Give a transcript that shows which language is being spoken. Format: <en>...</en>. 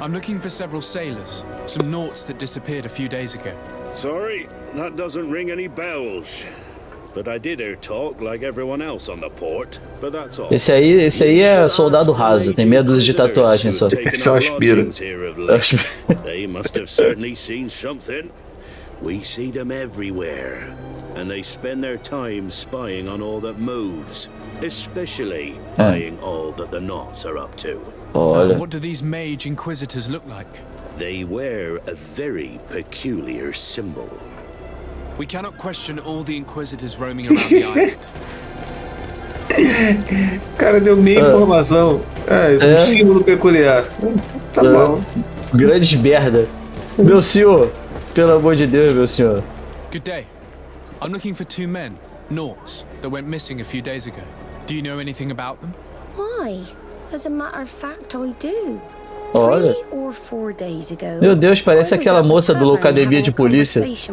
<en>I'm looking for several sailors, some Nauts that disappeared a few days ago. Sorry, that doesn't ring any bells. But I did hear talk like everyone else on the port, but that's all.</en> <pt>Esse aí é soldado raso, tem meia dúzia de tatuagem só. Só aspira.</pt> <en>They must have certainly seen something. We see them everywhere, and they spend their time spying on all that moves. Especially eyeing all that the Nauts are up to.</en> <pt>Olha.</pt> <en>What do these mage inquisitors look like? They wear a very peculiar symbol. We cannot question all the inquisitors roaming around the island.</en> <pt>Cara, deu meia informação. É, um símbolo peculiar. Tá bom. Grande merda. Meu senhor, pelo amor de Deus, meu senhor.</pt> <en>Good day. I'm looking for two men, Nauts, that went missing a few days ago. Do you know anything about them? Why? As a matter of fact, I do.</en> <pt>Olha. Meu Deus, parece aquela moça do Loucademia de Polícia.</pt>